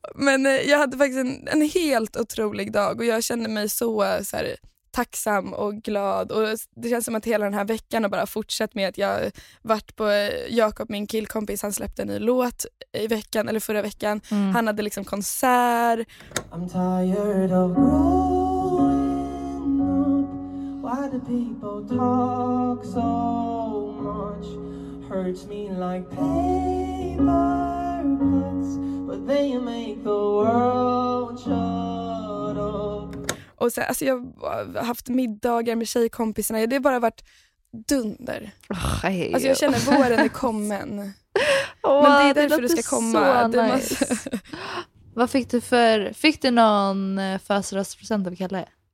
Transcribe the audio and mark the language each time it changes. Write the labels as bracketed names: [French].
[Swedish] Men jag hade faktiskt en helt otrolig dag. Och jag kände mig så här, tacksam och glad. Och det känns som att hela den här veckan har bara fortsatt med att jag varit på Jakob, min killkompis, han släppte en ny låt i veckan, eller förra veckan. Mm. Han hade liksom konsert. [English] I'm tired of growing up. Why do people talk so much? Hurts me like paper cuts. But they make the world shut up. [Swedish] Och så, alltså jag har haft middagar med tjejkompisarna. Det har bara varit dunder. Oh, hey, alltså jag känner våren är kommen. Oh, men det är därför du ska komma. Så du nice. Måste... Vad fick du för... Fick du någon födelsedagspresent av Kalle?